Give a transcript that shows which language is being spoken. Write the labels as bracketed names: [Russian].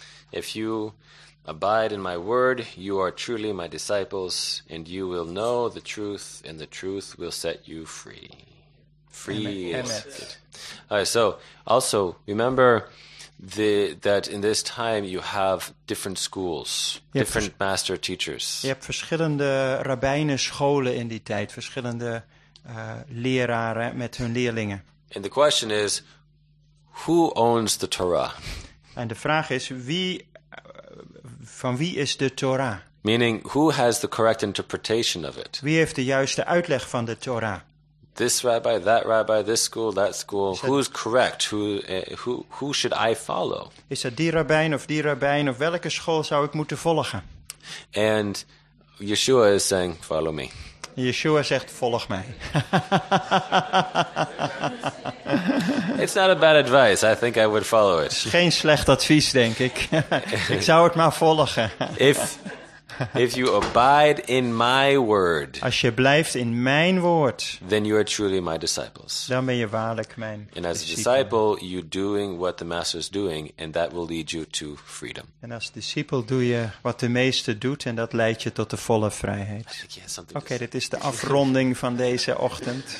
[English] If you abide in my word, you are truly my disciples, and you will know the truth, and the truth will set you free. Free [Hebrew] Emet. [English] All right, so also remember that in this time you have different schools, different master teachers. [Dutch] Je hebt verschillende rabbijnenscholen in die tijd, verschillende leraren met hun leerlingen. [English] And the question is, who owns the Torah? [Dutch] En de vraag is, van wie is de Torah? [English] Meaning, who has the correct interpretation of it? [Dutch] Wie heeft de juiste uitleg van de Torah? [English] This rabbi, this school, that school. Who's correct? Who should I follow? [Dutch] Is dat die rabbijn of welke school zou ik moeten volgen? [English] And Yeshua is saying, follow me. [Dutch] Yeshua zegt, volg mij. [English] It's not a bad advice. I think I would follow it. [Dutch] Geen slecht advies, denk ik. Ik zou het maar volgen. [English] If you abide in my word, [Dutch] als je blijft in mijn woord, [English] then you are truly my disciples. [Dutch] Dan ben je waarlijk mijn [English] disciple. And as a disciple, you're doing what the master is doing, and that will lead you to freedom. [Dutch] En als disciple doe je wat de meester doet, en dat leidt je tot de volle vrijheid. Oké, dit is de afronding van deze ochtend.